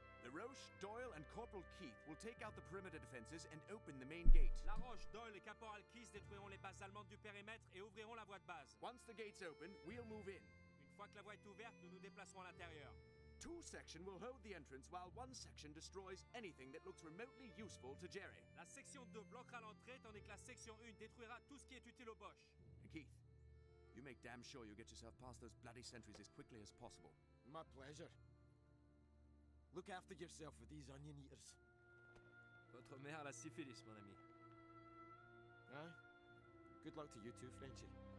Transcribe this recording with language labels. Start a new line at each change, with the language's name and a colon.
English: Roche, Doyle, and Corporal Keith will take out the perimeter defenses and open the main gate.
French: La Roche, Doyle, et Caporal Keith détruiront les bases allemandes du périmètre et ouvriront la voie de base.
English: Once the gate's open, we'll move in.
French: Une fois que la voie est ouverte, nous nous déplacerons à l'intérieur.
English: Two section will hold the entrance while one section destroys anything that looks remotely useful to Jerry.
French: La section 2 bloquera l'entrée tandis que la section 1 détruira tout ce qui est utile aux Boches.
English: Keith, you make damn sure you get yourself past those bloody sentries as quickly as possible. My pleasure. Look after yourself with these onion eaters.
French: Votre mère a la syphilis, mon ami.
English: Huh? Good luck to you too, Frenchie.